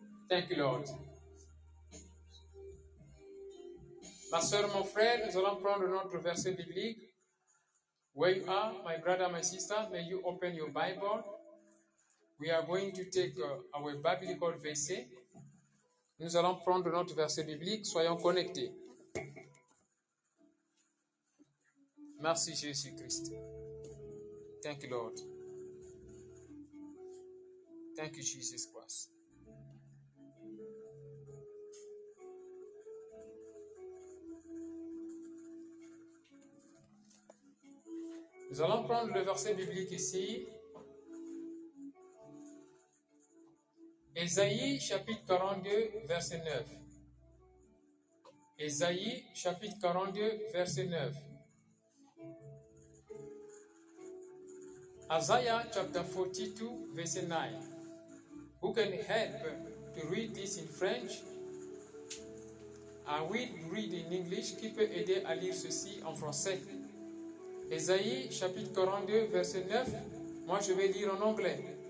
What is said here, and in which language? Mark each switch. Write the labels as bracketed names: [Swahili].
[English] Thank you, Lord. [French] Ma soeur, mon frère, nous allons prendre notre verset biblique. [English] Where you are, my brother, my sister, may you open your Bible. We are going to take our biblical verset. [French] Nous allons prendre notre verset biblique. Soyons connectés. Merci Jésus-Christ. [English] Thank you, Lord. Thank you, Jesus Christ. [French] Nous allons prendre le verset biblique ici. Ésaïe chapitre 42 verset 9. Ésaïe chapitre 42 verset 9. [English] Isaiah chapter 42 verse 9. Who can help to read this in French? I will read in English. [French] Qui peut aider à lire ceci en français? Ésaïe chapitre 42 verset 9. Moi je vais lire en anglais.